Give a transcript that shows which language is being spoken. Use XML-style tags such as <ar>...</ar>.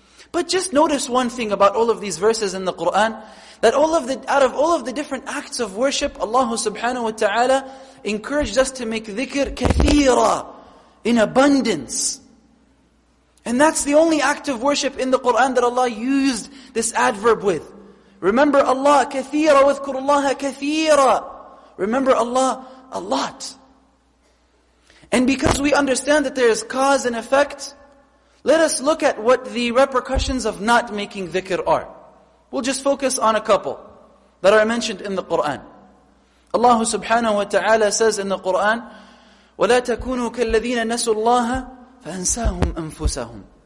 <en>But just notice one thing about all of these verses in the Qur'an, that out of all of the different acts of worship, Allah subhanahu wa ta'ala encouraged us to make dhikr kathira, in abundance. And that's the only act of worship in the Qur'an that Allah used this adverb with. Remember Allah,</en> <ar>كثيرا, وذكر الله كثيرا.</ar> <en>Remember Allah, a lot. And because we understand that there is cause and effect, let us look at what the repercussions of not making dhikr are. We'll just focus on a couple that are mentioned in the Qur'an. Allah subhanahu wa ta'ala says in the Qur'an,</en> <ar>وَلَا تَكُونُوا كَالَّذِينَ نَسُوا اللَّهَ فَأَنْسَاهُمْ أَنفُسَهُمْ.</ar>